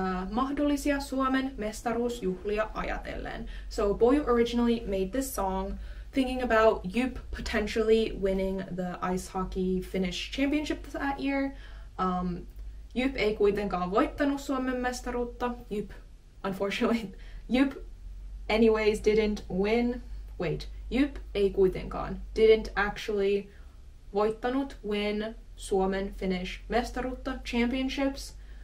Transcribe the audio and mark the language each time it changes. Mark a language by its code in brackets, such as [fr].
[fi] Mahdollisia Suomen mestaruusjuhlia ajatellen. [en] So Poju originally made this song thinking about Jyp potentially winning the ice hockey Finnish championship that year. [fi] Jyp ei kuitenkaan voittanut Suomen mestaruutta. [en] Jyp, unfortunately, Jyp anyways didn't win. Wait, Jyp [fi] ei kuitenkaan [en] didn't actually [fi] voittanut [en] win [fi] Suomen [en] Finnish [fi] mestaruutta [en] championships.